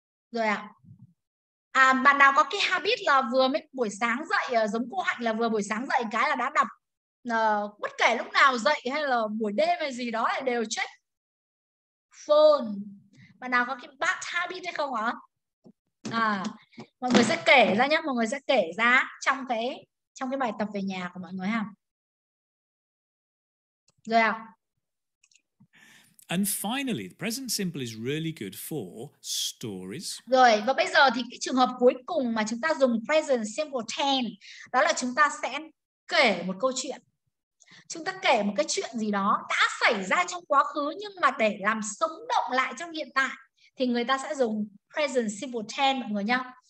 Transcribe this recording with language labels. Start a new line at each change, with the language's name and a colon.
Vietnamese: Rồi ạ. À, bạn nào có cái habit là vừa mới buổi sáng dậy, giống cô Hạnh là vừa buổi sáng dậy cái là đã đọc bất kể lúc nào dậy hay là buổi đêm hay gì đó là đều check phone. Bạn nào có cái bad habit hay không ạ? À, mọi người sẽ kể ra nhé, mọi người sẽ kể ra trong cái bài tập về nhà của mọi người ha. Rồi ạ.
English: And finally, the present simple is really good for stories.
Vietnamese: Rồi, và bây giờ thì cái trường hợp cuối cùng mà chúng ta dùng present simple tense đó là chúng ta sẽ kể một câu chuyện. Chúng ta kể một cái chuyện gì đó đã xảy ra trong quá khứ nhưng mà để làm sống động lại trong hiện tại thì người ta sẽ dùng present simple tense mọi người nhá.